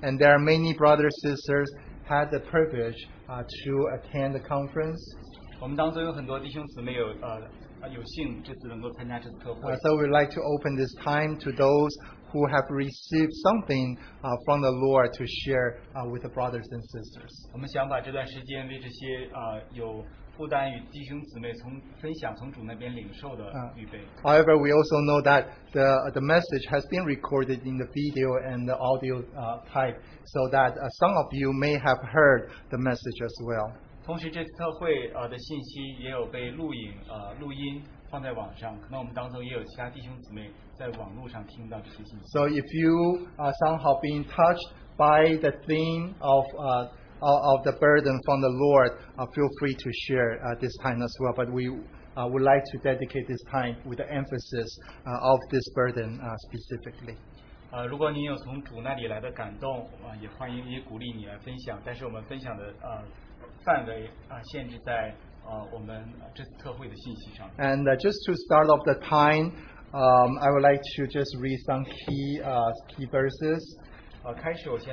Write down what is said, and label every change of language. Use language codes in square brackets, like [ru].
[en] And there are many brothers and sisters had the privilege to attend the conference. [zh] 我们当中有很多弟兄姊妹有 [en] So we'd like to open this time to those who have received something from the Lord to share with the brothers and sisters. [zh] 我们想把这段时间为这些, 有负担与弟兄姊妹从分享从主那边领受的, [en] However, we also know that the message has been recorded in the video and the audio type, so that some of you may have heard the message as well. [zh] 同时这次特会, 的信息也有被录影, 录音放在网上, 可能我们当中也有其他弟兄姊妹在网络上听到这些信息。 [en] So if you are somehow being touched by the theme of the burden from the Lord, feel free to share this time as well. But we would like to dedicate this time with the emphasis of this burden specifically. [zh] 如果你有从主那里来的感动, 也欢迎也鼓励你来分享, 但是我们分享的, 范围限制在我们这次特会的信息上。 [en] And just to start off the time, I would like to just read some key verses.